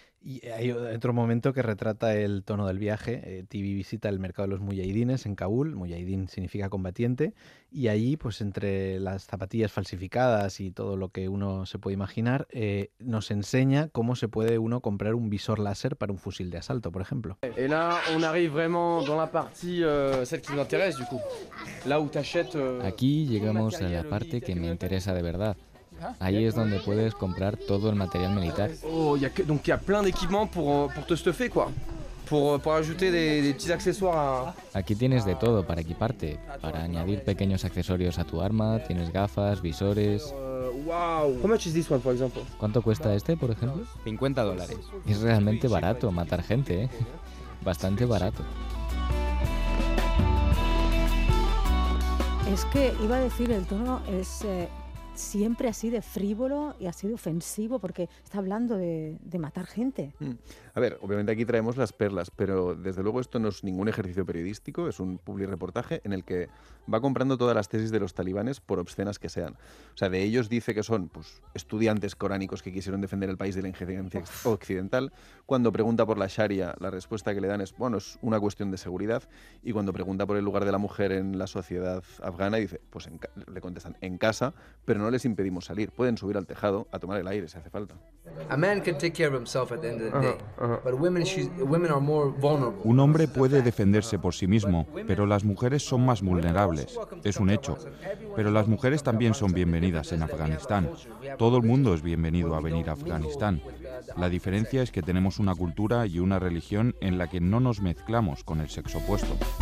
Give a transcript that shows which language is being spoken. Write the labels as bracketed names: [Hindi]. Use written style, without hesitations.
[Spanish] Y hay otro momento que retrata el tono del viaje. Tibi visita el mercado de los mujahidines en Kabul. Mujahidín significa combatiente. Y allí, pues entre las zapatillas falsificadas y todo lo que uno se puede imaginar, nos enseña cómo se puede uno comprar un visor láser para un fusil de asalto, por ejemplo. [French] Y là, on arrive vraiment dans la partie celle qui m'intéresse, du coup. Là où t'achètes. [Spanish] Aquí llegamos a la parte que me interesa de verdad. Ahí es donde puedes comprar todo el material militar. [French] Oh, hay plein d'équipements pour te stuffer, quoi. Pour ajouter des petits accessoires. [Spanish] Aquí tienes de todo para equiparte, para añadir pequeños accesorios a tu arma. Tienes gafas, visores. Wow. ¿Cuánto cuesta este, por ejemplo? $50. Es realmente barato matar gente, ¿eh? Bastante barato. Es que iba a decir, el tono es siempre así de frívolo y así de ofensivo, porque está hablando de matar gente. A ver, obviamente aquí traemos las perlas, pero desde luego esto no es ningún ejercicio periodístico, es un publirreportaje en el que va comprando todas las tesis de los talibanes, por obscenas que sean. O sea, de ellos dice que son, pues, estudiantes coránicos que quisieron defender el país de la injerencia occidental. Cuando pregunta por la Sharia, la respuesta que le dan es, bueno, es una cuestión de seguridad. Y cuando pregunta por el lugar de la mujer en la sociedad afgana, dice, pues le contestan, en casa, pero no les impedimos salir. Pueden subir al tejado a tomar el aire si hace falta. [English] A man can take care of himself at the end of the day. But women are more vulnerable. [Spanish] Un hombre puede defenderse por sí mismo, pero las mujeres son más vulnerables. Es un hecho. Pero las mujeres también son bienvenidas en Afganistán. Todo el mundo es bienvenido a venir a Afganistán. La diferencia es que tenemos una cultura y una religión en la que no nos mezclamos con el sexo opuesto.